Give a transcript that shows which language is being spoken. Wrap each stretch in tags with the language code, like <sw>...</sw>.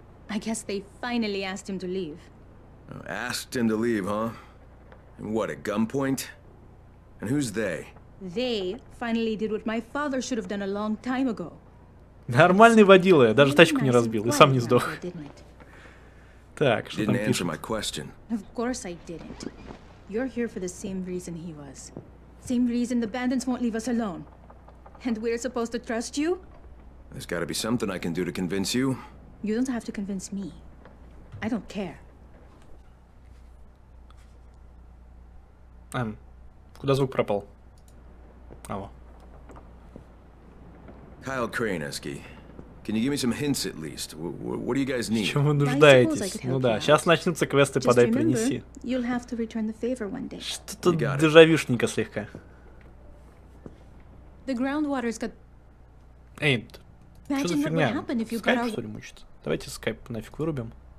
<en>I guess they finally asked him to leave. Asked him to leave, huh? And what, at gunpoint? And who's they? They finally did what my father should have done a long time ago.</en> <ru>Нормальный водила, я даже тачку не разбил и сам не сдох. Так, что там пишут?</ru> <en>My question. Of course I didn't. You're here for the same reason he was. Same reason the bandits won't leave us alone. And we're supposed to trust you? There's got to be something I can do to convince you. You don't have to convince me. I don't care.</en> <ru>Куда звук пропал? Алло.</ru> <en>Kyle Kraneski. Can you give me some hints at least? What do you guys need?</en> <ru>Чем вы нуждаетесь? Ну да, сейчас начнутся квесты подай принеси. Что-то дежавюшненько слегка.</ru> <en>The groundwater's got...</en> <ru>Эй, что за фигня? Скайп, что ли, мучит? Давайте скайп нафиг вырубим.</ru>